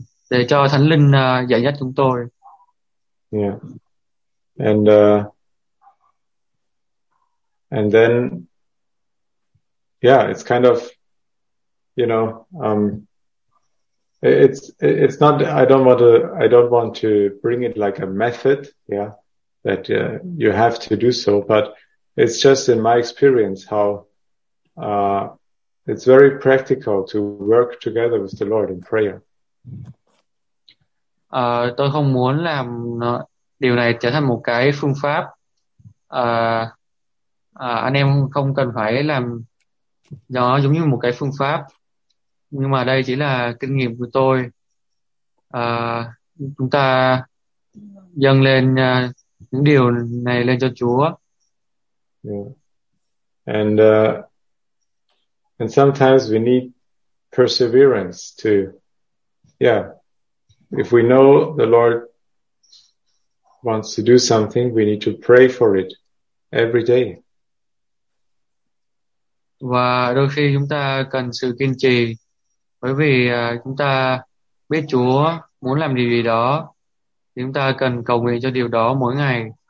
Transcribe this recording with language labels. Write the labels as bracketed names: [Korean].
[Vietnamese] Để cho Thánh Linh dạy dắt chúng tôi. [English] Yeah. And then, yeah, it's kind of, you know, it's not, I don't want to bring it like a method, yeah, that you have to do so, but it's just in my experience how it's very practical to work together with the Lord in prayer. [Vietnamese] Tôi không muốn làm điều này trở thành một cái phương pháp. Anh em không cần phải làm nó giống như một cái phương pháp. Nhưng mà đây chỉ là kinh nghiệm của tôi. Chúng ta dâng lên những điều này lên cho Chúa. [English] Yeah. And sometimes we need perseverance to, yeah, if we know the Lord wants to do something, we need to pray for it every day. [Vietnamese] Và đôi khi chúng ta cần sự kiên trì. Bởi vì chúng ta biết Chúa muốn làm điều gì đó, chúng ta cần cầu nguyện cho điều đó mỗi ngày.